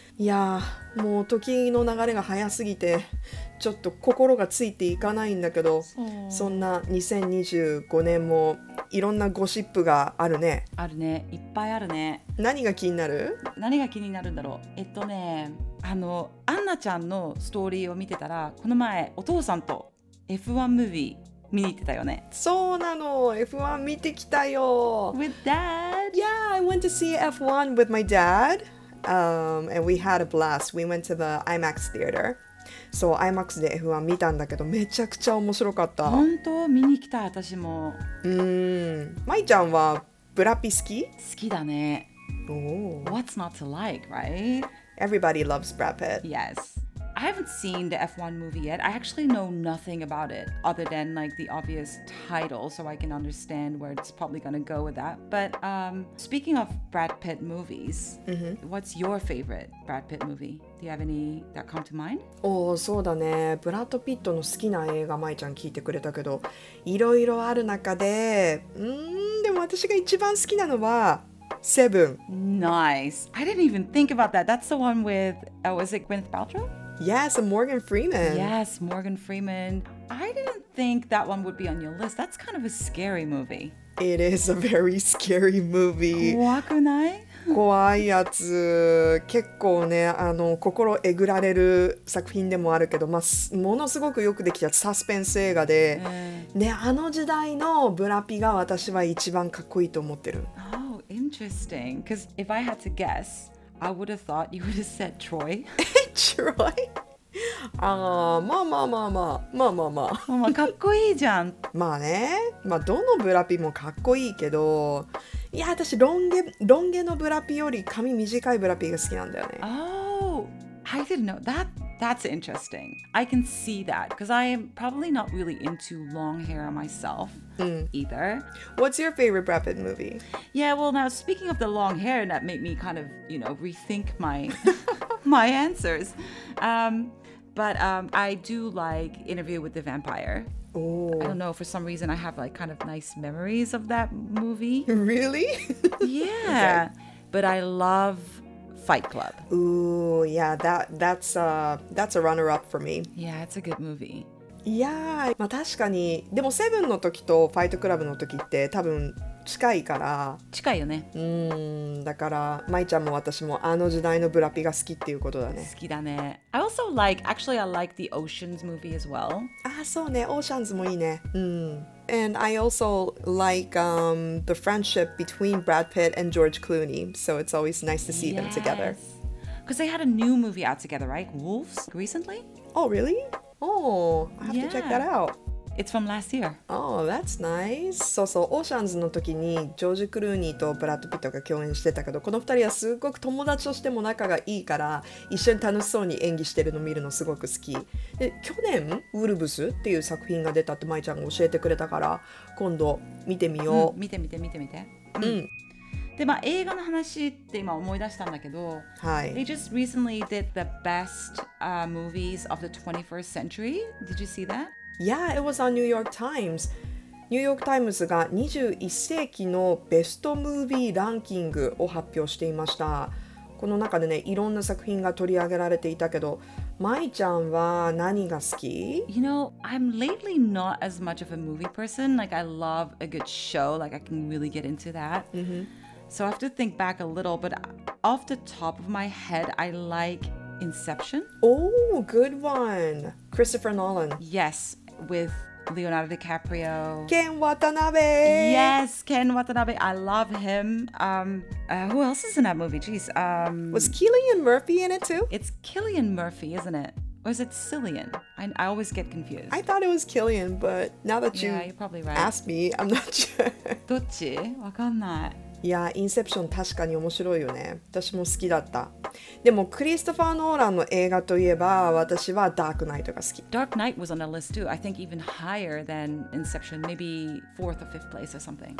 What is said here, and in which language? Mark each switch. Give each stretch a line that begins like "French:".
Japanese: いやもう時の流れが早すぎてちょっと心がついていかないんだけど そんな2025年もいろんなゴシップがあるね。あるね、いっぱいあるね。何が気になる？何が気になるんだろう。ね、あのアンナちゃんのストーリーを見てたら、この前お父さんと F1 ムービー見に行ってたよね。そうなの、 F1 見てきたよ。
English: With dad? Yeah, I went to see F1 with my dad. And we had a blast. We went to the IMAX theater. So IMAX で F1 見たんだけど、めちゃくちゃ面白かった。本当、見に来た私も。まいちゃんはブラピ好き？好きだね。 Oh. What's not to like, right? Everybody loves Brad Pitt. Yes. I haven't seen the F1 movie yet. I actually know nothing about it other than like the obvious title, so I can understand where it's probably going to go with that. But speaking of Brad Pitt movies, what's your favorite Brad Pitt movie? Do you have any that come to mind?
Japanese: Oh, そうだね。ブラッド・ピットの好きな映画、まいちゃん聞いてくれたけど、いろいろある中で、でも私が一番好きなのは、Seven.
English: Nice. I didn't even think about that. That's the one with, was it Gwyneth Paltrow? Yes, Morgan Freeman. Yes, Morgan Freeman. I didn't think that one would be on your list. That's kind of a scary movie. It is a very scary movie.
Japanese: 怖くない？怖いやつ。結構ね、あの、心えぐられる作品でもあるけど、まあ、ものすごくよくできたサスペンス映画で、ね、あの時代のブラピが私は一番かっこいいと思ってる。
English: Oh, interesting. Because if I had to guess... I would have thought you would have said Troy.
Japanese: Troy? まあまあまあ。かっこいいじゃん。まあね。まあどのブラピもかっこいいけど、いや私ロン毛のブラピより髪短いブラピが好きなんだよね。
English: Oh, I didn't know that. That's interesting. I can see that because I'm probably not really into long hair myself. Either. What's your favorite Brad Pitt movie? Yeah, well, now speaking of the long hair, that made me kind of, you know, rethink my my answers. I do like Interview with the Vampire. Oh. I don't know, for some reason I have like kind of nice memories of that movie. Really? Yeah. Okay. But I love Fight Club. Ooh, yeah, that's a runner-up for me. Yeah, it's a good movie.
Japanese: いやー、まあ確かに、でもセブンの時とファイトクラブの時って多分近いから、近いよね。だからまいちゃんも私もあの時代のブラピが好きっていうことだね。好きだね。
English: I also like, actually I like the Oceans movie as well.
Japanese: あー、そうね、オーシャンズもいいね。
English: And I also like the friendship between Brad Pitt and George Clooney, so it's always nice to see them together. Because they had a new movie out together, right? Wolves, recently? Oh, really? Oh, I have to check that out. It's from last year. Oh, that's nice.
Japanese: そうそう、オーシャンズの時にジョージ・クルーニーとブラッド・ピットが共演してたけど、この二人はすごく友達としても仲がいいから、一緒に楽しそうに演技してるの見るのすごく好き。で、去年ウルブスっていう作品が出たってマイちゃんが教えてくれたから、今度見てみよう。見て。うん。で、まあ、映画の話って今思い出したんだけど、はい、
English: They just recently did the best movies of the 21st century. Did you see that? Yeah, it was on New York Times.
Japanese: New York Times が21世紀のベストムービーランキングを発表していました。この中でね、いろんな作品が取り上げられていたけど、まいちゃんは何が好き？
English: You know, I'm lately not as much of a movie person. Like, I love a good show. Like, I can really get into that. So I have to think back a little, but off the top of my head, I like Inception. Oh, good one. Christopher Nolan. Yes, with Leonardo DiCaprio. Ken Watanabe. Yes, Ken Watanabe. I love him. Who else is in that movie? Jeez. Was Cillian Murphy in it too? It's Cillian Murphy, isn't it? Or is it Cillian? I always get confused. I thought it was Cillian, but now that you're probably right. Asked me, I'm not sure.
Japanese: どっち？わかんない。いやインセプション確かに面白いよね。私も好きだった。でもクリストファー・ノーランの映画といえば私はダークナイトが好き。
English: ダークナイト was on the list too. I think even higher than Inception. Maybe fourth or fifth place or something.